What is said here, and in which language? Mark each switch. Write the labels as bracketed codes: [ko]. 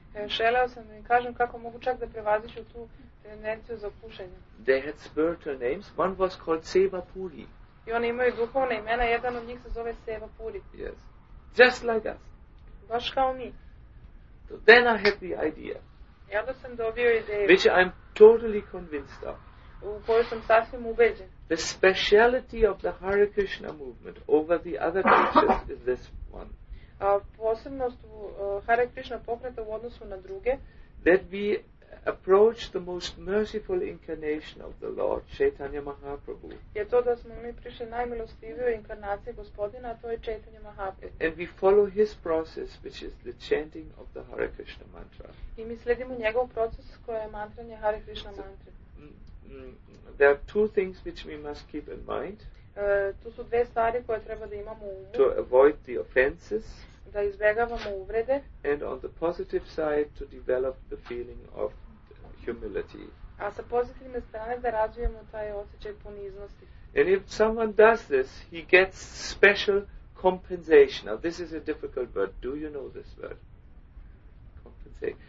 [sr] Želeo sam da im kažem kako mogu čak da prevaziću tu tendenciju za pušenje. [en] They had spiritual names. One was called Seva Puri. [sr] I oni imaju duhovna imena. Jedan od njih se zove Seva Puri. [en] Yes. Just like us. [sr] Baš kao mi. [en] So then I had the idea. [sr] I onda sam dobio ideju. [en] Which I'm totally convinced of. [sr] U kojoj sam sasvim ubeđen. [en] The speciality of the Hare Krishna movement over the other teachers is this one. [sr] Posebnost Hare Krishna pokreta u odnosu na druge, [en] that we approach the most merciful incarnation of the Lord, Chaitanya Mahaprabhu. [sr] Je to da smo mi prišli najmilostivijoj inkarnaciji gospodina, a to je Chaitanya Mahaprabhu. [en] And we follow his process, which is the chanting of the Hare Krishna mantra. [sr] I mi sledimo njegov proces koje je mantranje Hare Krishna mantra. [en] There are two things which we must keep in mind. [sr] Tu su dve stvari koje treba da imamo u umu. [en] To avoid the offenses. [sr] Da izbjegavamo uvrede. [en] And on the positive side, to develop the feeling of humility. [sr] A sa pozitivne strane da razvijemo taj osjećaj poniznosti. [en] And if someone does this, he gets special compensation. Now this is a difficult word. Do you know this word? Compensation.